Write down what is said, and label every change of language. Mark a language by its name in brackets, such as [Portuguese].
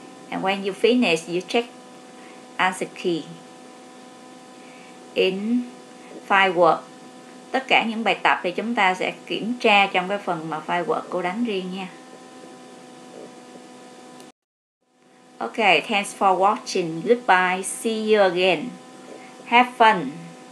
[English] And when you finish, you check answer key in file work. [Vietnamese] Tất cả những bài tập thì chúng ta sẽ kiểm tra trong cái phần mà file work cô đánh riêng nha. [English] Okay, thanks for watching. Goodbye. See you again. Have fun.